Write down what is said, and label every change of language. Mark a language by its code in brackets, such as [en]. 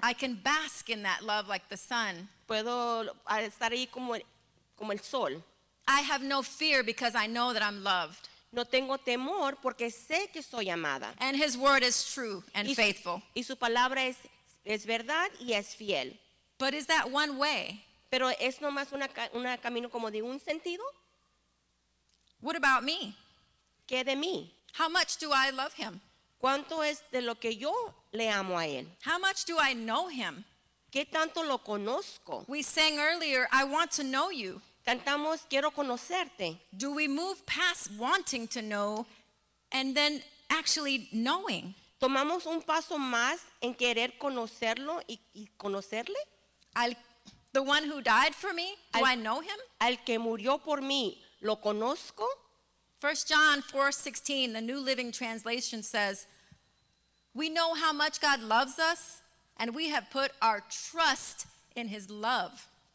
[en] I can bask in that love like the sun. [es] Puedo estar ahí como el sol. [en] I have no fear because I know that I'm loved. [es] No tengo temor porque sé que soy amada. [en] And his word is true and faithful. [es] Y su palabra es verdad y es fiel. [en] But is that one way? [es] Pero es nomás una camino como de un sentido. [en] What about me? [es] ¿Qué de mí? [en] How much do I love him? [es] ¿Cuánto es de lo que yo le amo a él? [en] How much do I know him? [es] ¿Qué tanto lo conozco? [en] We sang earlier, I want to know you. [es] Cantamos, quiero conocerte. [en] Do we move past wanting to know and then actually knowing? [es] Tomamos un paso más en querer conocerlo y conocerle. [en] The one who died for me, do I know him? [es] Al que murió por mí, ¿lo conozco? [en] 1 John 4:16, the New Living Translation says, we know how much God loves us and we have put our trust in his love.